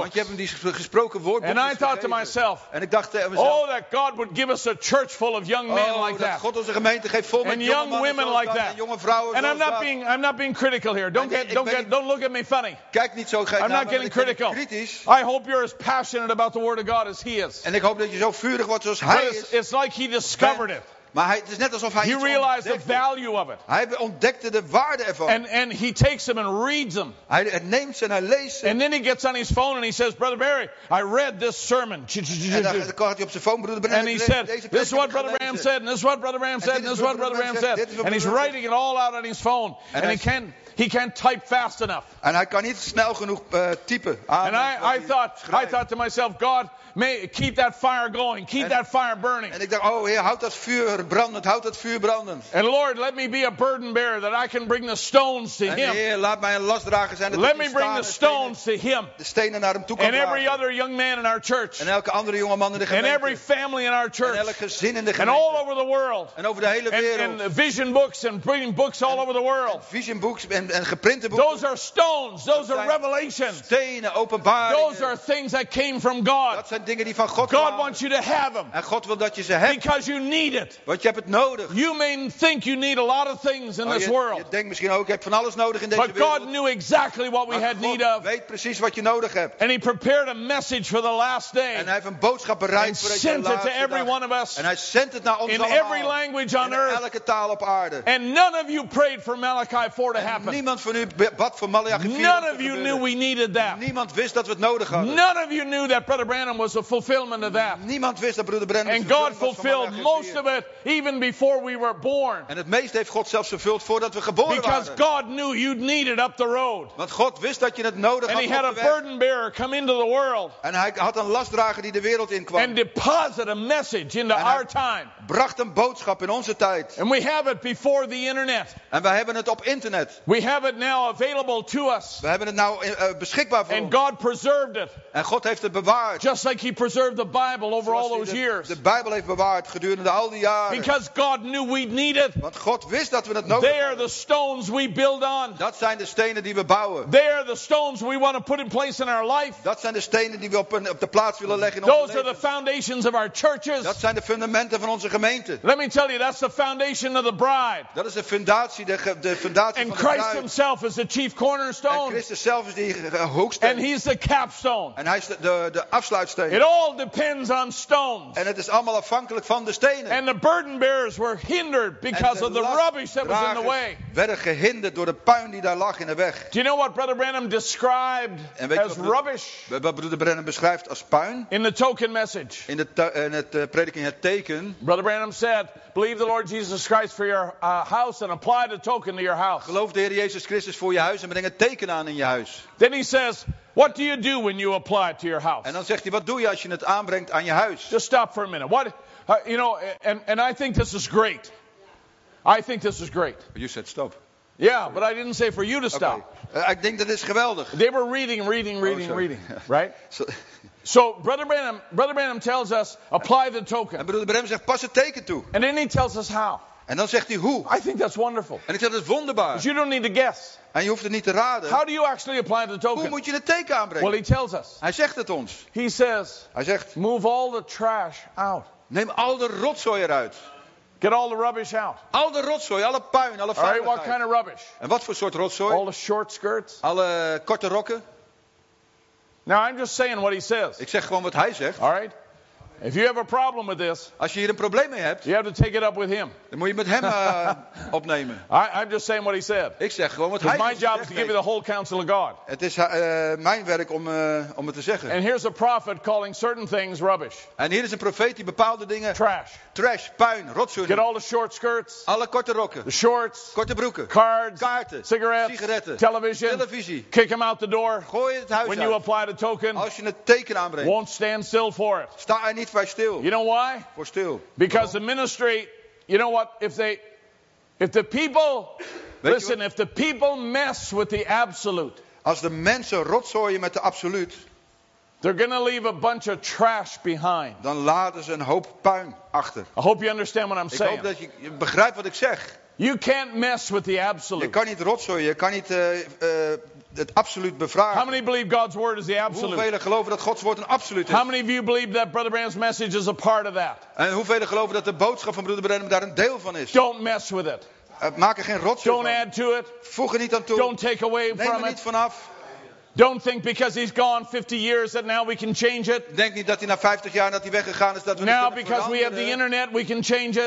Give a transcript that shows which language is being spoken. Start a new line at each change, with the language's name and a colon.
Dutch: Want je hebt hem die gesproken woordboeken.
English: And I thought to myself.
Dutch: En ik dacht tegen mezelf.
English: Oh, that God would give us a church full of young men like that.
Dutch: Oh, dat God onze gemeente geeft vol met jonge mannen.
English: And young women like that.
Dutch: En jonge vrouwen.
English: And I'm not being critical here. Don't look at me funny.
Dutch: Kijk niet zo.
English: I'm not getting critical. I hope you're as passionate about the word of God as he is.
Dutch: En ik hoop dat je zo vurig wordt zoals hij is.
English: It's like he discovered it.
Dutch: Maar hij, het is net alsof hij
English: he realized
Dutch: ontdekte.
English: The value of it.
Dutch: Hij ontdekte de waarde ervan.
English: And he takes them and reads them.
Dutch: Hij neemt ze en hij leest ze.
English: And then he gets on his phone and he says, Brother Barry, I read this sermon.
Dutch: En dan kwam hij op zijn phone, Broeder Branham.
English: And he said, this is what Brother Branham said, and this is what Brother Branham said, and this is what Brother Branham said. And he's writing it all out on his phone. And he can't type fast enough.
Dutch: En hij kan niet snel genoeg typen.
English: And I thought to myself, God, keep that fire going, keep that fire burning.
Dutch: En ik dacht, oh Heer, houd dat vuur brandend, houd dat vuur brandend.
English: And Lord, let me be a burden bearer that I can bring the stones to Him.
Dutch: En Heer, laat mij een lastdrager zijn.
English: Let me bring the stones to Him.
Dutch: De stenen naar Hem toe.
English: And every other young man in our church.
Dutch: En elke andere jonge man in de gemeente.
English: And every family in our church.
Dutch: En elk gezin in de gemeente.
English: And all over the world.
Dutch: En over de hele wereld.
English: And vision books and bringing books all over the world.
Dutch: Vision books en geprinte boeken.
English: Those are stones. Those are revelations.
Dutch: Stenen, openbaringen.
English: Those are things that came from God.
Dutch: Dat zijn dingen die van God kwamen.
English: God wants you to have them.
Dutch: En God wil dat je ze hebt.
English: Because you need it.
Dutch: Want je hebt het nodig.
English: You may think you need a lot of things in this world.
Dutch: Je denkt misschien ook, ik heb van alles nodig in deze
English: but
Dutch: wereld.
English: But God knew exactly what we had need of.
Dutch: Weet precies wat je nodig hebt.
English: And He prepared a message for the last day.
Dutch: En Hij heeft een boodschap bereid
English: and
Dutch: voor deze
English: sent
Dutch: laatste
English: it to every
Dutch: dag.
English: One of us.
Dutch: En Hij zendt het naar ons
English: in
Dutch: allemaal.
English: In every language on
Dutch: in
English: earth.
Dutch: Elke taal op aarde.
English: And none of you prayed for Malachi 4 to happen.
Dutch: Niemand van u bad voor Malachi 4.
English: None of you knew we needed that.
Dutch: Niemand wist dat we het nodig hadden.
English: None of you knew that Brother Branham was a fulfillment of that.
Dutch: Niemand wist dat Broeder Branham
English: and God fulfilled most of it even before we were born.
Dutch: En het meeste heeft God zelfs vervuld voordat we geboren waren.
English: Because God knew you'd need it up the road.
Dutch: Want God wist dat je het nodig had.
English: And He had a burden bearer come into the world.
Dutch: En Hij had een lastdrager die de wereld inkwam.
English: And deposit a message into our time.
Dutch: Bracht een boodschap in onze tijd.
English: And we have it before the internet.
Dutch: En we hebben het op internet.
English: We have it now available to us.
Dutch: We hebben het nou beschikbaar voor ons.
English: And God preserved it.
Dutch: En God heeft het bewaard.
English: Just like He preserved the Bible over all those years.
Dutch: De Bijbel heeft bewaard gedurende al die jaren.
English: Because God knew we'd need it.
Dutch: Want God wist dat we het nodig hadden.
English: They are the stones we build on.
Dutch: Dat zijn de stenen die we bouwen.
English: They are the stones we want to put in place in our life.
Dutch: Dat zijn de stenen die we op de plaats willen leggen in
English: those
Dutch: ons leven.
English: Those are the foundations of our churches.
Dutch: Dat zijn de fundamenten van onze gemeente.
English: Let me tell you, that's the foundation of the bride.
Dutch: Dat is de fundatie van de bride.
English: And Christ Himself is the chief cornerstone.
Dutch: En Christus zelf is die hoeksteen.
English: And He's the capstone.
Dutch: En Hij is de afsluitsteen.
English: It all depends on stones.
Dutch: En het is allemaal afhankelijk van de stenen.
English: And the burden bearers were hindered because of the rubbish that was in the way.
Dutch: Werden gehinderd door de puin die daar lag in de weg.
English: Do you know what Brother Branham described as rubbish?
Dutch: Wat Broeder Branham beschrijft als puin?
English: In the token message.
Dutch: In het prediking het teken.
English: Brother Branham said, "Believe the Lord Jesus Christ for your house and apply the token to your house."
Dutch: Geloof de Heer Jezus Christus voor je huis en breng het teken aan in je huis.
English: Then he says, what do you do when you apply it to your house?
Dutch: En dan zegt hij, wat doe je als je het aanbrengt aan je huis?
English: Just stop for a minute. What, you know, and I think this is great. I think this is great. But you said stop. Yeah, sorry. But I didn't say for you to stop. Okay. I think that is geweldig. They were reading, right? So Brother Branham tells us, apply the token.
Dutch: En Broeder Branham zegt, pas het teken toe.
English: And then he tells us how.
Dutch: En dan zegt hij hoe.
English: I think that's wonderful.
Dutch: En ik zeg, dat is wonderbaar.
English: You don't need to guess.
Dutch: En je hoeft het niet te raden.
English: How do you actually apply the token?
Dutch: Hoe moet je het teken aanbrengen?
English: Well, he tells us.
Dutch: Hij zegt het ons.
English: He says,
Dutch: hij zegt,
English: move all the trash out.
Dutch: Neem al de rotzooi eruit.
English: Get all the rubbish out.
Dutch: Al de rotzooi, alle puin, alle vuilnis.
English: Right, what kind of rubbish?
Dutch: En wat voor soort rotzooi?
English: All the short skirts.
Dutch: Alle korte rokken.
English: Now, I'm just saying what he says.
Dutch: Ik zeg gewoon wat hij zegt.
English: All right. If you have a problem with this,
Dutch: als je hier een probleem mee hebt,
English: you have to take it up with him.
Dutch: Dan moet je met hem opnemen.
English: I'm just saying what he said.
Dutch: Ik zeg gewoon wat hij zegt.
English: My job is to give you the whole counsel of God.
Dutch: Het is mijn werk om het te zeggen.
English: And here's a prophet calling certain things rubbish.
Dutch: En hier is een profeet die bepaalde dingen
English: trash.
Dutch: Trash, puin, rotzooi.
English: Get all the short skirts.
Dutch: Alle korte rokken.
English: The shorts.
Dutch: Korte broeken.
English: Cards.
Dutch: Kaarten.
English: Cigarettes.
Dutch: Sigaretten.
English: Television. Kick him out the door.
Dutch: Gooi het huis uit.
English: When you apply the token,
Dutch: als je het teken aanbrengt,
English: won't stand still for it.
Dutch: Sta er niet voor stil.
English: You know why?
Dutch: Voor stil.
English: Because the ministry, you know what? If the people mess with the absolute,
Dutch: als de mensen rotzooien met de absoluut,
English: they're gonna leave a bunch of trash behind.
Dutch: Dan laten ze een hoop puin achter.
English: I hope you understand what I'm
Dutch: ik
English: saying.
Dutch: Ik hoop dat je begrijpt wat ik zeg.
English: You can't mess with the absolute.
Dutch: Je kan niet rotzooien. Je kan niet het absoluut bevragen.
English: How many believe God's word is the absolute?
Dutch: Hoeveel geloven dat Gods woord een absoluut is?
English: How many of you believe that Brother Branham's message is a part of that?
Dutch: En hoeveel geloven dat de boodschap van Broeder Branham daar een deel van is?
English: Don't mess with it.
Dutch: Maak er geen rotzooi van.
English: Don't add to it.
Dutch: Voeg er niet aan toe.
English: Don't take away from it.
Dutch: Neem er niet vanaf.
English: Don't think because he's gone 50 years that now we can change it.
Dutch: Denk niet dat hij na 50 jaar dat hij weggegaan is dat we
English: now because we have the internet we can change it.